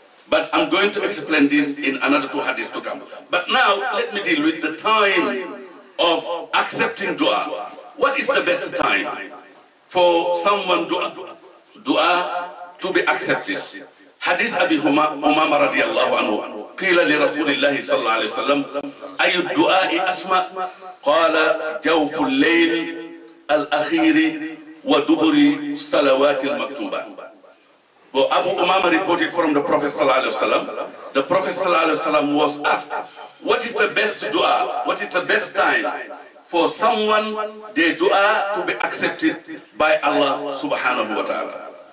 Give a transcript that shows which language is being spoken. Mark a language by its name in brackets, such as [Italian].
[English] But I'm going to explain this in another two hadiths to come. But now, let me deal with the time of accepting dua. What is the best time for someone dua to be accepted? Hadith Abi Umama radiallahu anhu. [Arabic] قيل لرسول الله صلى الله عليه وسلم أي الدعاء أسمى؟ قال جوف الليل الأخير ودبر الصلوات المكتوبة. [English] Well, Abu Umama reported from the Prophet sallallahu alaihi wasallam. The Prophet sallallahu alaihi wasallam was asked, what is the best dua? What is the best time for someone their dua to be accepted by Allah subhanahu wa ta'ala?